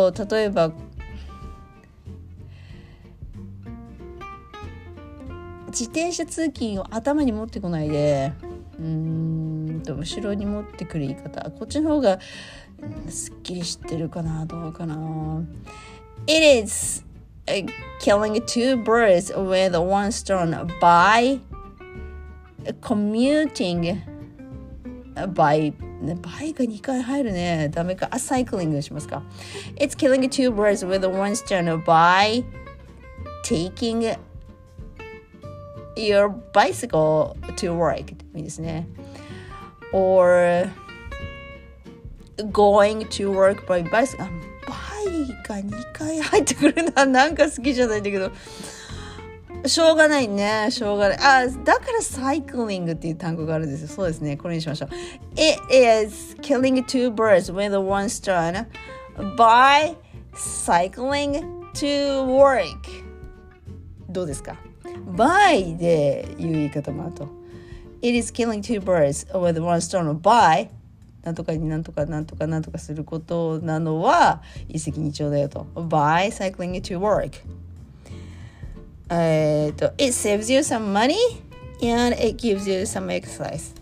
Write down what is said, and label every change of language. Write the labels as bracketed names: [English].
[Japanese] 例えば、自転車通勤を頭に持ってこないで、後ろに持ってくる言い方、こっちの方がすっきりしてるかな、どうかな。 [English] It is killing two birds with one stone by commuting by [Japanese] バイが2回入るね。ダメか。アサイクリングしますか。 [English] It's killing two birds with one stone by taking your bicycle to work. [Japanese] いいですね。 [English] Or going to work by bicycle. [Japanese] バイが2回入ってくるのはなんか好きじゃないんだけど。しょうがないね、しょうがない。あ、だからサイクリングっていう単語があるんですよ。そうですね、これにしましょう。 [English] It is killing two birds with one stone by cycling to work. [Japanese] どうですか？ by でいう言い方もあると。 [English] It is killing two birds with one stone by [Japanese] なんとかになんとかなんとかなんとかすることなのは一石二鳥だよと。 [English] by cycling to work. It saves you some money and it gives you some exercise.